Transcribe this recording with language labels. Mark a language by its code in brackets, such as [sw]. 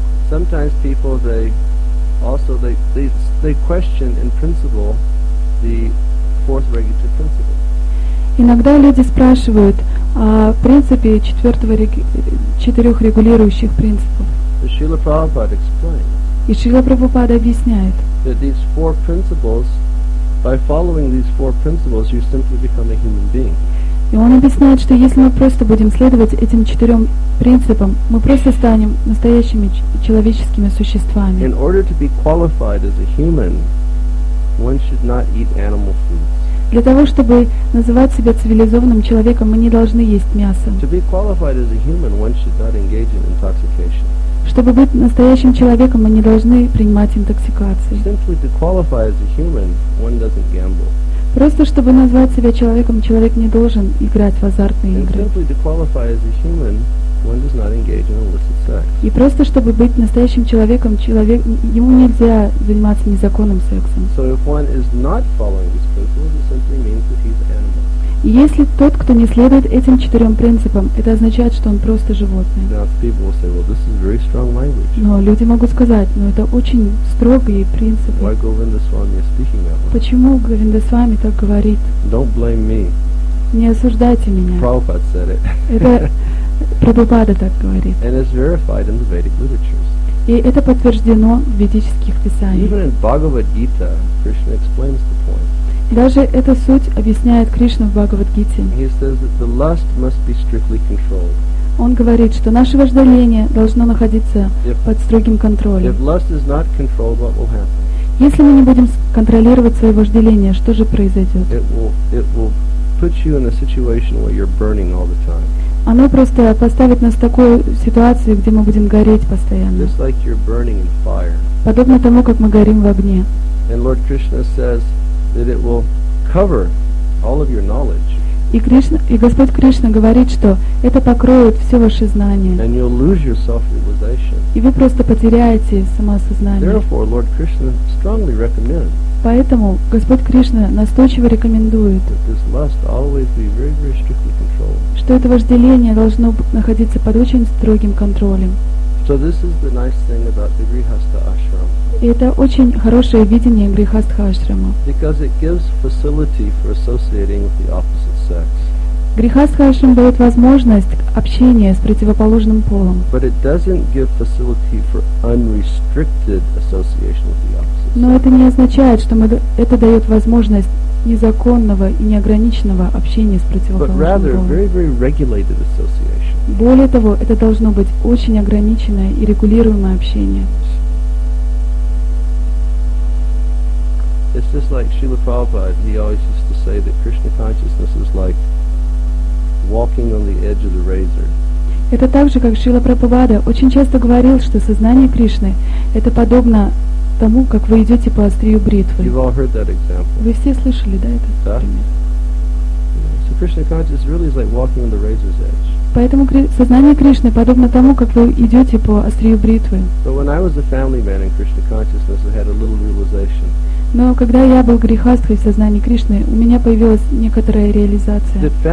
[en] Sometimes people they question in principle the fourth regulative principle. [ru] Иногда люди спрашивают о принципе четырех регулирующих принципов. [en] Шрила Прабхупада explains. [ru] И Шрила Прабхупада объясняет. [en] That these four principles, by following these four principles, you simply become a human being. [ru] И он объясняет, что если мы просто будем следовать этим четырем принципам, мы просто станем настоящими человеческими существами. [en] In order to be qualified as a human, one should not eat animal foods. [ru] Для того, чтобы называть себя цивилизованным человеком, мы не должны есть мясо. [en] To be qualified as a human, one should not engage in intoxication. [ru] Чтобы быть настоящим человеком, мы не должны принимать интоксикации. [en] Simply to qualify as a human, one doesn't gamble. [ru] Просто чтобы назвать себя человеком, человек не должен играть в азартные игры. [en] And simply to qualify as a human, one does not engage in illicit sex. [ru] И просто чтобы быть настоящим человеком, человек ему нельзя заниматься незаконным сексом. [en] So if one is not following these principles, it simply means that he's animal. [ru] Если тот, кто не следует этим четырем принципам, это означает, что он просто животное. [en] Now, people will say, well, this is very strong language. [ru] Но люди могут сказать, ну это очень строгие принципы. [en] Why Govinda Swami is speaking that way? [ru] Почему Говинда Свами так говорит? [en] Don't blame me. [ru] Не осуждайте меня. [en] Prabhupada said it. [ru] Это Прабхупада так говорит. [en] And it's verified in the Vedic literatures. [ru] И это подтверждено в ведических писаниях. [en] Even in Bhagavad-gita, Krishna explains the point. [ru] Даже эта суть объясняет Кришна в Бхагавад-гите. [en] He says that the lust must be strictly controlled. [ru] Он говорит, что наше вожделение должно находиться под строгим контролем. [en] If lust is not controlled, what will happen? [ru] Если мы не будем контролировать свое вожделение, что же произойдет? [en] It will put you in a situation where you're burning all the time. [ru] Оно просто поставит нас в такую ситуацию, где мы будем гореть постоянно. [en] Just like you're burning in fire. [ru] Подобно тому, как мы горим в огне. [en] And Lord Krishna says that it will cover all of your knowledge. [ru] И Господь Кришна говорит, что это покроет все ваши знания. [en] And you'll lose your self-realization. [ru] И вы просто потеряете самосознание. [en] Therefore, Lord Krishna strongly recommends. [ru] Поэтому Господь Кришна настойчиво рекомендует, [en] that this must always be very, very strictly controlled. [ru] Что это вожделение должно находиться под очень строгим контролем. [en] So this is the nice thing about the Grihastha Ashram. [ru] И это очень хорошее видение Грихастха Ашрама. [en] Because it gives facility for associating with the opposite sex. [ru] Грихастха Ашрам дает возможность общения с противоположным полом. [en] But it doesn't give facility for unrestricted association with the opposite sex. [ru] Но это не означает, что это дает возможность незаконного и неограниченного общения с противоположным полом. [en] But rather, very, very regulated association. [ru] Более того, это должно быть очень ограниченное и регулируемое общение. [en] It's just like Srila Prabhupada, he always used to say that Krishna consciousness is like walking on the edge of the razor. [ru] Это так же, как Шрила Прабхупада очень часто говорил, что сознание Кришны это подобно тому, как вы идете по острию бритвы. [en] You've all heard that example. [ru] Вы все слышали, да, этот пример? [en] So Krishna consciousness really is like walking on the razor's edge. [ru] Поэтому сознание Кришны подобно тому, как вы идете по острию бритвы. [en] But when I was a family man in Krishna consciousness, I had a little realization. [ru] Но когда я был грихастхой в сознании Кришны, у меня появилась некоторая реализация.